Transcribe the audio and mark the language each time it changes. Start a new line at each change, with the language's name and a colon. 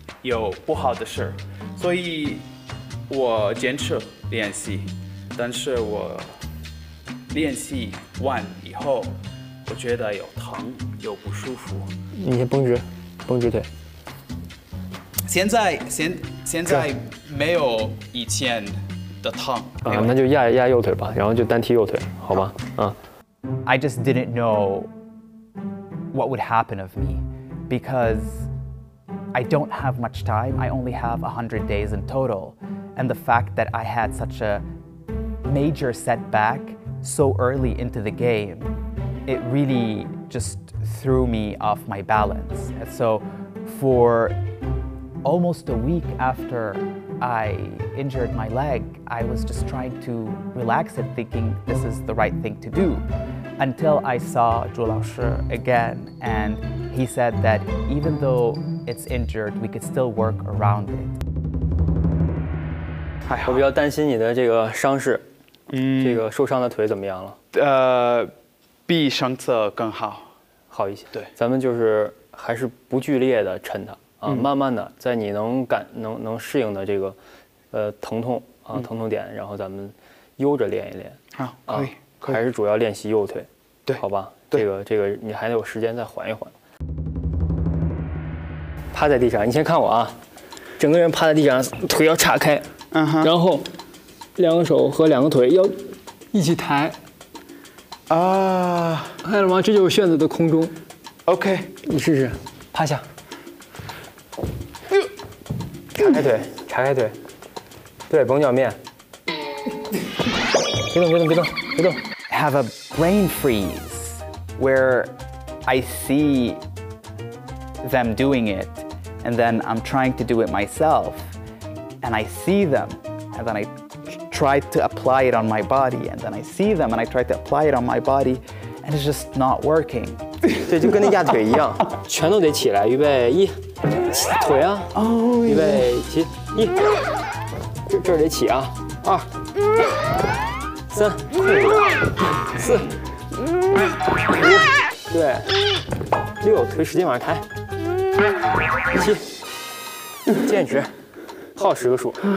Chinese: 有不好的事，所以我坚持练习，但是我练习完以后，我觉得有疼，有不舒服。你先绷直，绷直腿。现在没有以前的疼。啊，那就压右腿吧，然后就单踢右腿，好吧？啊。
English: I just didn't know what would happen of me because. I don't have much time. I only have 100 days in total. And the fact that I had such a major setback so early into the game, it really just threw me off my balance. So for almost a week after I injured my leg, I was just trying to relax it, thinking this is the right thing to do. Until I saw Zhu Lao Shi again, and he said that even though it's injured, we could still work around it.
Chinese: 哎呀，我比较担心你的这个伤势，这个受伤的腿怎么样了？比上次更好，好一些。对，咱们就是还是不剧烈的抻它啊，慢慢的，在你能适应的这个疼痛啊疼痛点，然后咱们悠着练一练。好，可以，可以，还是主要练习右腿。对，好吧，这个你还得有时间再缓一缓。趴在地上，你先看我啊，整个人趴在地上，腿要岔开， uh-huh. 然后两个手和两个腿要一起抬，啊，看到了吗？这就是旋子的空中。
English: OK，
Chinese: 你试试，趴下，岔开腿，岔开腿，对，绷脚面，别动。
English: Have a brain freeze where I see them doing it. And then I'm trying to do it myself, and I see them, and then I try to apply it on my body, and then I see them, and I try to apply it on my body, and it's just not working.
Chinese: 对，就跟那压腿一样，全都得起来，预备一，起腿啊， oh, 预备起一，这得起啊，二，三，四，五，对，六，腿使劲往上抬，七，坚持，耗十个数。